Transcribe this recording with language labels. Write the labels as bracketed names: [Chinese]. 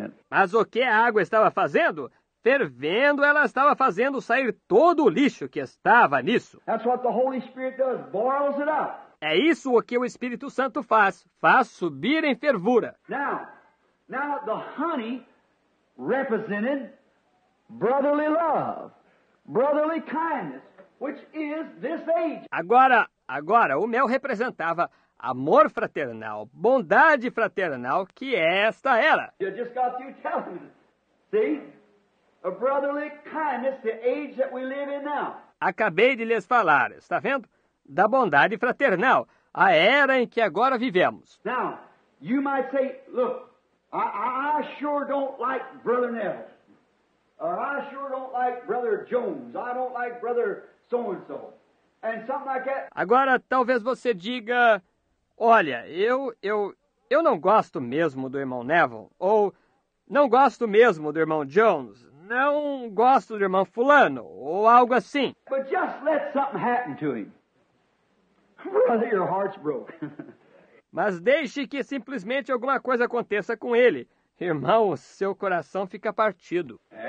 [Portuguese] Mas o que a água estava fazendo? Fervendo, ela estava fazendo sair todo o lixo que estava nisso. [English] That's what the Holy Spirit does, boils it up. [Portuguese] É isso o que o Espírito Santo faz, faz subir em fervura. [English] Now the honey represented brotherly love, brotherly kindness, which is this age. [Portuguese] Agora, o mel representava amor fraternal, bondade fraternal, que é esta era. [English] You just got to tell me. See? A brotherly kindness, the age that we live in now. [Portuguese] Acabei de lhes falar, está vendo? Da bondade fraternal, a era em que agora vivemos. [English] Now, you might say, look, I sure don't like Brother Neville. Or I sure don't like Brother Jones. I don't like Brother so-and-so. And something like that. [Portuguese] Agora, talvez você diga, olha, eu não gosto mesmo do irmão Neville. Ou, não gosto mesmo do irmão Jones. Não gosto do irmão fulano, ou algo assim. [English] But just let something happen to him. Brother, your heart's broken. [Portuguese] Mas deixe que simplesmente alguma coisa aconteça com ele. Irmão, seu coração fica partido.